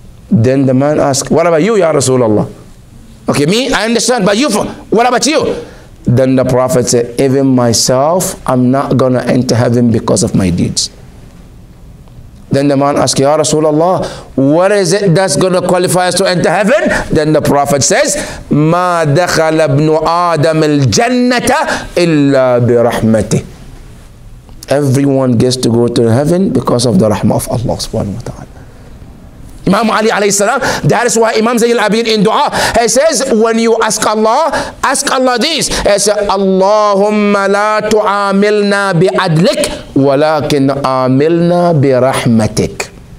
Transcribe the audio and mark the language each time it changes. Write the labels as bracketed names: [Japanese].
[English] Then the man asked, what about you, Ya Rasulullah? Okay, me, I understand, but you, what about you? Then the Prophet said, even myself, I'm not gonna enter heaven because of my deeds. Then the man asked, Ya Rasulullah, what is it that's gonna qualify us to enter heaven? Then the Prophet says, [Arabic] مَا دَخَلَ ابْنُ آدَمِ الْجَنَّةَ إِلَّا بِرَحْمَتِهِ. [English] Everyone gets to go to heaven because of the rahmah of Allah subhanahu wa ta'ala. Imam Ali alayhi salam, that is why Imam Zayn al-Abidin in dua, he says, when you ask Allah this. He says, [Arabic] Allahumma la tu'amilna bi'adlik, walakin amilna bi'rahmatik.